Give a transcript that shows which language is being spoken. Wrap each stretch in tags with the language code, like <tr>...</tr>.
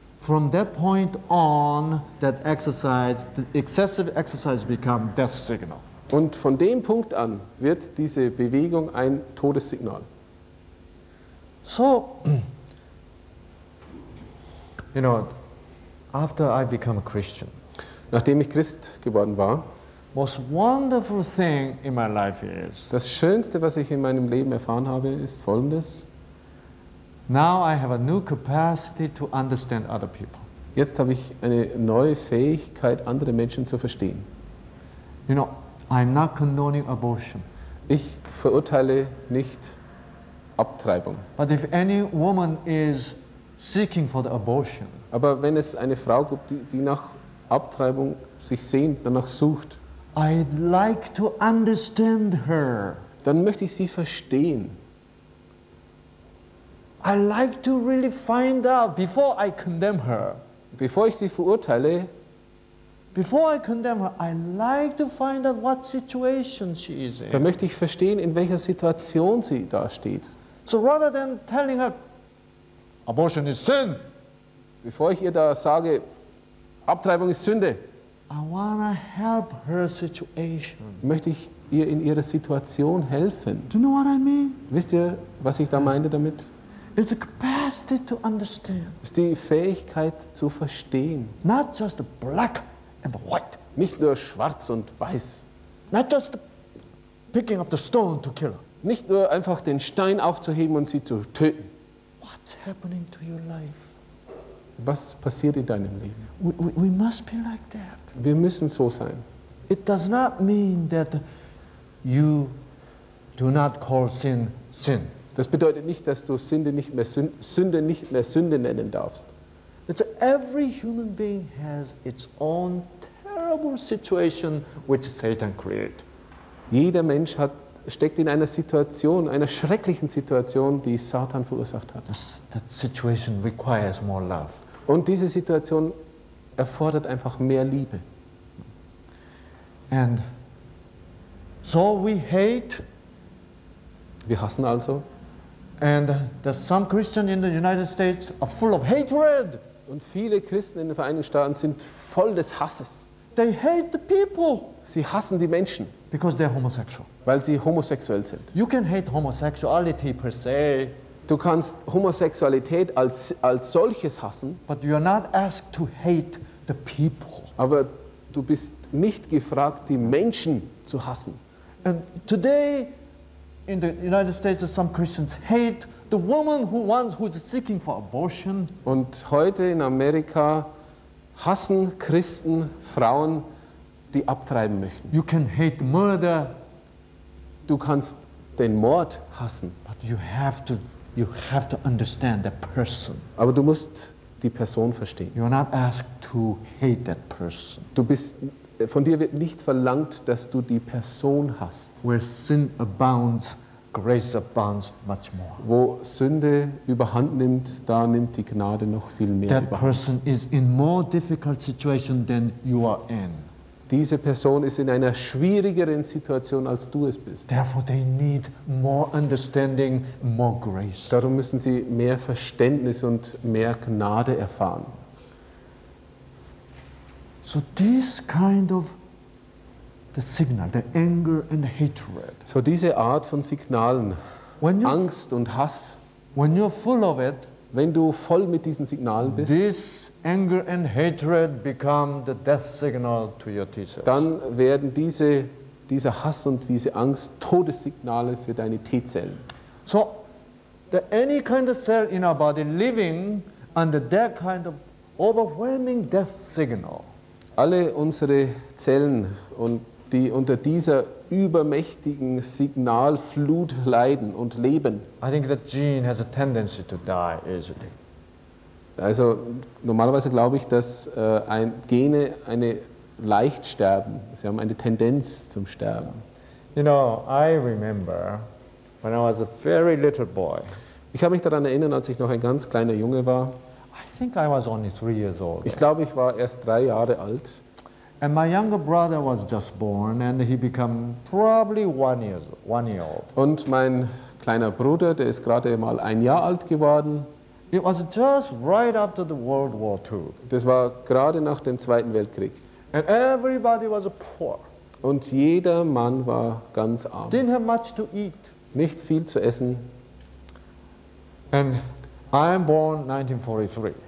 <en>From that point on, that exercise, the excessive exercise become death signal.</en> <de>Und von dem Punkt an wird diese Bewegung ein Todessignal.</de> <en>So, you know, after I become a Christian,</en> <de>nachdem ich Christ geworden war,</de> <en>most wonderful thing in my life is,</en> <de>das Schönste, was ich in meinem Leben erfahren habe, ist Folgendes.</de> <en>Now I have a new capacity to understand other people.</en> <de>Jetzt habe ich eine neue Fähigkeit, andere Menschen zu verstehen.</de> <en>You know, I'm not condoning abortion.</en> <de>Ich verurteile nicht Abtreibung.</de> <en>But if any woman is seeking for the abortion,</en> <de>aber wenn es eine Frau gibt, die nach Abtreibung sich sehnt, danach sucht,</de> <en>I'd like to understand her.</en> <de>Dann möchte ich sie verstehen.</de> <en>I like to really find out before I condemn her.</en> <de>Bevor ich sie verurteile.</de> <en>Before I condemn her, I like to find out what situation she is in.</en> <de>Da möchte ich verstehen, in welcher Situation sie da steht.</de> <en>So rather than telling her abortion is sin.</en> <de>Bevor ich ihr da sage, Abtreibung ist Sünde.</de> <en>I wanna help her situation.</en> <de>Möchte ich ihr in ihrer Situation helfen.</de> <en>Do you know what I mean?</en> <de>Wisst ihr, was ich da meine damit?</de> <en>It's a capacity to understand.</en> <de>Es ist die Fähigkeit zu verstehen.</de> <en>Not just black and white.</en> <de>Nicht nur schwarz und weiß.</de> <en>Not just picking up the stone to kill.</en> <de>Nicht nur einfach den Stein aufzuheben und sie zu töten.</de> <en>What's happening to your life?</en> <de>Was passiert in deinem Leben?</de> <en>We must be like that.</en> <de>Wir müssen so sein.</de> <en>It does not mean that you do not call sin sin.</en> <de>Das bedeutet nicht, dass du Sünde nicht mehr Sünde nennen darfst.</de> <en>It's every human being has its own terrible situation which Satan created.</en> <de>Jeder Mensch steckt in einer Situation, einer schrecklichen Situation, die Satan verursacht hat.</de> <en>That situation requires more love.</en> <de>Und diese Situation erfordert einfach mehr Liebe.</de> <en>And so we hate.</en> <de>Wir hassen also.</de> <en>And there's some Christians in the United States are full of hatred.</en> <de>Und viele Christen in den Vereinigten Staaten sind voll des Hasses.</de> <en>They hate the people.</en> <de>Sie hassen die Menschen.</de> <en>Because they're homosexual.</en> <de>Weil sie homosexuell sind.</de> <en>You can hate homosexuality per se.</en> <de>Du kannst Homosexualität als solches hassen.</de> <en>But you are not asked to hate the people.</en> <de>Aber du bist nicht gefragt, die Menschen zu hassen.</de> <en>And today, in the United States, some Christians hate the woman who's seeking for abortion.</en> <de>Und heute in Amerika hassen Christen Frauen, die abtreiben möchten.</de> <en>You can hate murder.</en> <de>Du kannst den Mord hassen.</de> <en>But you have to understand the person.</en> <de>Aber du musst die Person verstehen.</de> <en>You are not asked to hate that person.</en> <de>Du bist von dir wird nicht verlangt, dass du die Person hast.</de> <en>Where sin abounds, grace abounds much more.</en> <de>Wo Sünde überhand nimmt, da nimmt die Gnade noch viel mehr</de> <en>that</en> <de>überhand.</de> <en>That person is in more difficult situation than you are in.</en> <de>Diese Person ist in einer schwierigeren Situation, als du es bist.</de> <en>Therefore they need more understanding, more grace.</en> <de>Darum müssen sie mehr Verständnis und mehr Gnade erfahren.</de> <en>So this kind of the signal, the anger and the hatred.</en> <de>So diese Art von Signalen, Angst und Hass.</de> <en>When you're full of it,</en> <de>wenn du voll mit diesen Signalen bist,</de> <en>this anger and hatred become the death signal to your teachers.</en> <de>Dann werden dieser Hass und diese Angst Todessignale für deine T-Zellen.</de> <en>So the any kind of cell in our body living under that kind of overwhelming death signal.</en> <de>Alle unsere Zellen, und die unter dieser übermächtigen Signalflut leiden und leben.</de> <en>I think that gene has a tendency to die easily.</en> <de>Also normalerweise glaube ich, dass Gene eine leicht sterben. Sie haben eine Tendenz zum Sterben.</de> <en>You know, I remember when I was a very little boy.</en> <de>Ich kann mich daran erinnern, als ich noch ein ganz kleiner Junge war.</de> <en>I think I was only 3 years old.</en> <de>Ich glaube, ich war erst 3 Jahre alt.</de> <en>And my younger brother was just born, and he became probably 1 year old.</en> <de>Und mein kleiner Bruder, der ist gerade mal 1 Jahr alt geworden.</de> <en>It was just right after the World War II.</en> <de>Das war gerade nach dem Zweiten Weltkrieg.</de> <en>And everybody was poor.</en> <de>Und jeder Mann war ganz arm.</de> <en>Didn't have much to eat.</en> <de>Nicht viel zu essen.</de> <en>And I am born 1943.</en>